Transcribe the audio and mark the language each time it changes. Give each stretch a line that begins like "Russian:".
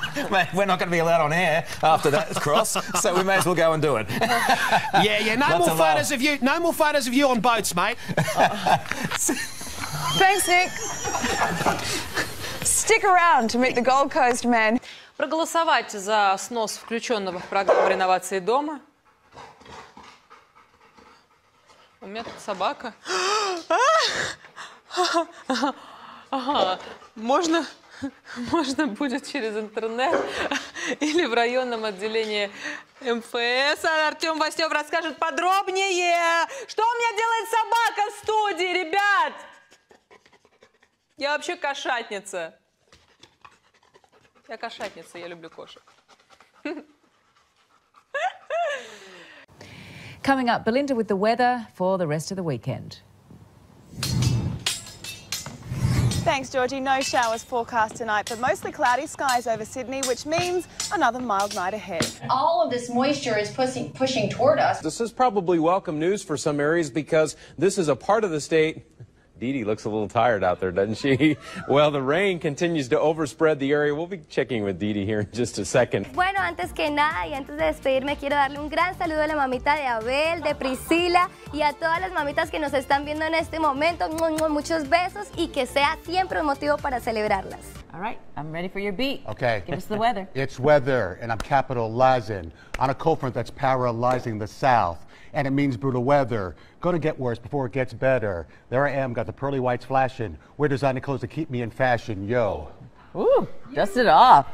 English: Mate, we're not going to be allowed on air after that cross, so we may as well go and do it. Yeah. No more photos of you. No more photos of you on boats, mate. Thanks, Nick. Stick around to meet the Gold Coast man.
Russian: Проголосовать за снос включенного в программу реновации дома. У меня тут собака. Ага. Можно будет через интернет или в районном отделении МФС. Артем Васнев расскажет подробнее, что у меня делает собака в студии, ребят. Я вообще кошатница. Я кошатница, я люблю кошек.
English: Coming up, Belinda with the weather for the rest of the weekend. Thanks, Georgie. No showers forecast tonight, but mostly cloudy skies over Sydney, which means another mild night ahead. All of this moisture is pushing toward us. This is probably welcome news for some areas because this is a part of the state. Dee Dee looks a little tired out there, doesn't she? Well, the rain continues to overspread the area. We'll be checking with Dee Dee here in just a second.
Spanish: Bueno, antes que nada y antes de despedirme, quiero darle un gran saludo a la mamita de Abel, de Priscila y a todas las mamitas que nos están viendo en este momento. Muchos besos y que sea siempre un motivo para celebrarlas.
English: All right, I'm ready for your beat. Okay. Give us the weather. It's weather, and I'm capitalizing on a cold front that's paralyzing the south. And it means brutal weather. Gonna get worse before it gets better. There I am, got the pearly whites flashing. We're designing clothes to keep me in fashion, yo. Ooh, dust it off.